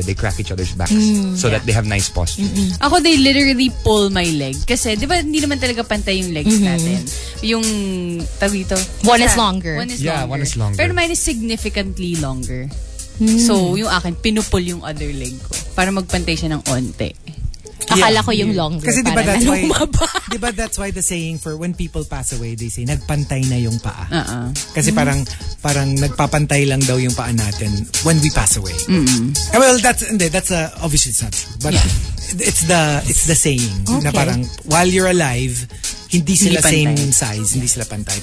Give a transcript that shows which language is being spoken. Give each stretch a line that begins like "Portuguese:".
English: They crack each other's backs so that they have nice posture. Mm-hmm. Ako, they literally pull my leg.
Filipino: Kasi, di ba, hindi naman talaga pantay yung legs natin. Yung, tawito.
English: One is longer. Pero mine is significantly longer.
Filipino: So, yung akin, pinupull yung other leg ko para magpantay siya ng onte. Akala ko yung longer. Kasi diba para
English: that's why, diba that's why the saying for when people pass away, they say,
Filipino: nagpantay na yung paa. Uh-uh. Kasi parang nagpapantay lang daw yung paa natin
English: when we pass away. Mm-hmm. Well, that's obviously it's not true. But yeah. it's the saying okay. na parang while you're alive, hindi sila hindi same size,
Filipino: hindi sila pantay.